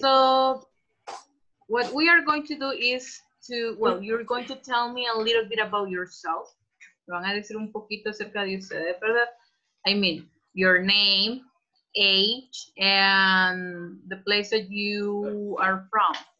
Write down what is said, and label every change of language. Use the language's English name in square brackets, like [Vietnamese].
[English] So what we are going to do is to, well, you're going to tell me a little bit about yourself. [Spanish] Van a decir un poquito acerca de ustedes, ¿verdad? [English] I mean, your name, age, and the place that you are from.